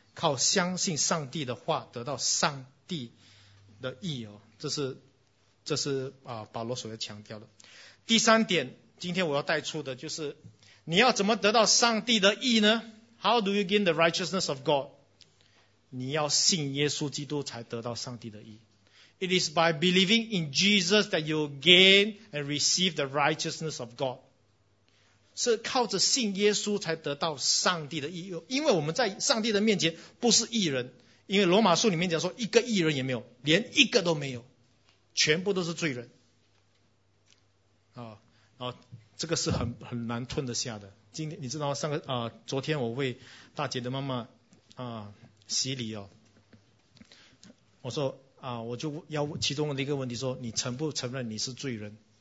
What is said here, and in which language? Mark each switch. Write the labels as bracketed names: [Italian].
[Chinese] 靠相信上帝的话得到上帝的义哦，这是保罗所要强调的。第三点，今天我要带出的就是，你要怎么得到上帝的义呢？ [English] How do you gain the righteousness of God? [Chinese] 你要信耶稣基督才得到上帝的义。 [English] It is by believing in Jesus that you gain and receive the righteousness of God. [Chinese] 是靠着信耶稣才得到上帝的义。因为我们在上帝的面前不是义人，因为罗马书里面讲说一个义人也没有，连一个都没有，全部都是罪人。这个是很难吞得下的。今天你知道昨天我为大姐的妈妈洗礼哦，我说我就要其中的一个问题说，你承不承认你是罪人？